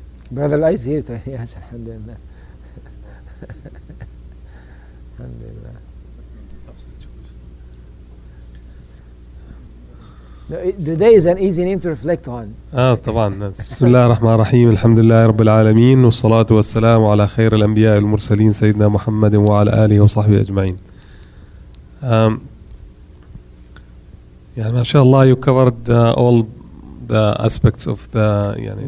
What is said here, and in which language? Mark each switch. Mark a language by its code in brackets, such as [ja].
[en] Brother Lai is here. Yes, alhamdulillah. Alhamdulillah. Today is an easy name to reflect on. [ar] طبعا. بسم الله الرحمن الرحيم. الحمد لله رب العالمين والصلاة والسلام على خير الأنبياء والمرسلين سيدنا محمد وعلى آله وصحبه أجمعين. يعني ما شاء الله, [en] you covered all the aspects of the, [ar] يعني